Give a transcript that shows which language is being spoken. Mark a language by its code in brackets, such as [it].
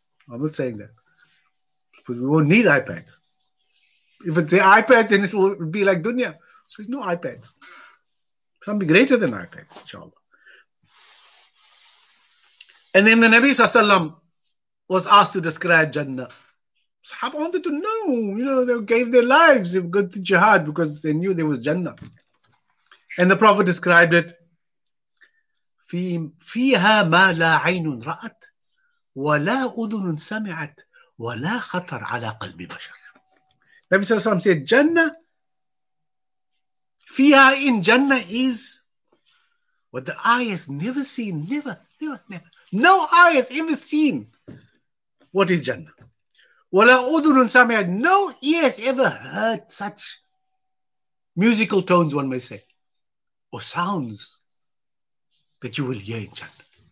[en] I'm not saying that. But we won't need iPads. If it's the iPads, then it will be like dunya. So there's no iPads. Something greater than iPads, inshallah. And then the Nabi Sallallahu Alaihi Wasallam was asked to describe Jannah. Sahaba wanted to know, you know, they gave their lives, they went to jihad because they knew there was Jannah. And the Prophet described it, [ar] فِيهَا مَا لَا عَيْنٌ رَأَتْ وَلَا أُذُنٌ سَمِعَتْ وَلَا خَطَرْ عَلَى قَلْبِ بَشَرٍ. [en] Nabi Sallallahu Alaihi Wasallam said, Jannah, فِيهَا in Jannah is what the eye has never seen, never, never, never. No eye has ever seen what is Jannah. [ar] وَلَا أُذُنٌ سَمِعَتْ. [en] No ears ever heard such musical tones, one may say, or sounds that you will hear in Jannah.